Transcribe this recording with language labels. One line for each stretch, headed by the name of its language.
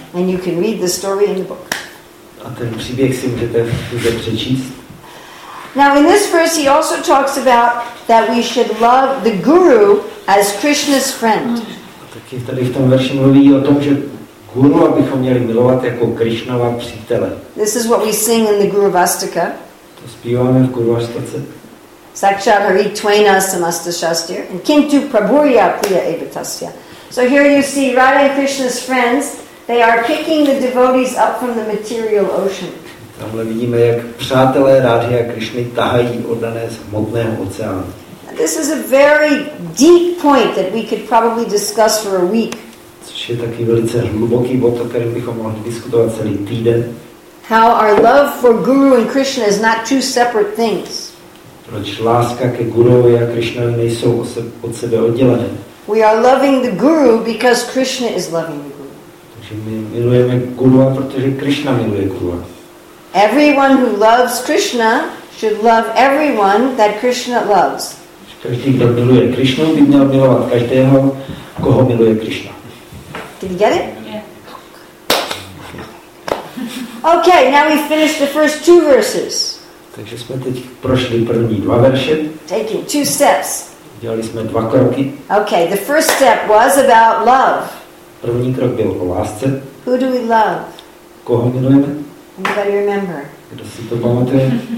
English: And you can read the story in the book.
Czech: A ten příběh si můžete už přečíst.
English: Now in this verse he also talks about that we should love the guru as Krishna's friend.
Czech: Taky tady v tom verši mluví o tom, že guru abychom měli milovat jako Krishnova přítele.
English: This is what we sing in the Guru Vastika.
Czech: To zpíváme v Guru Vastice.
Sanskrit: Sakshat hari tvena samasta shastir and kintu prabhurya priya evatasya.
English: So here you see Radha and Krishna's friends. They are picking the devotees up from the material ocean.
Czech: Tamhle vidíme, jak přátelé Rádhy a Krišny tahají oddané z hmotného oceánu.
English: Now, this is a very deep point that we could probably discuss for a week.
Czech: Což je taky velice hluboký bod, o kterém bychom mohli diskutovat celý týden.
English: How our love for Guru and Krishna is not two separate things.
Czech: Proč láska ke Guruovi a Krišnovi nejsou od sebe oddělené.
English: We are loving the Guru because Krishna is loving the Guru.
Czech: Že my milujeme Gurua, protože Krishna miluje Gurua.
English: Everyone who loves Krishna should love everyone that Krishna loves.
Czech: Každý, kdo miluje Krishna, by měl milovat každého, koho miluje Krishna.
English: Did you get it? Yeah. Okay, now we finished the first two verses.
Czech: Takže jsme teď prošli první dva verše.
English: Taking two steps.
Czech: Dělali jsme dva kroky.
English: Okay, the first step was about love.
Czech: První krok byl o lásce.
English: Who do we love?
Czech: Koho milujeme?
English: Anybody remember?
Czech: Kdo si to pamatuje?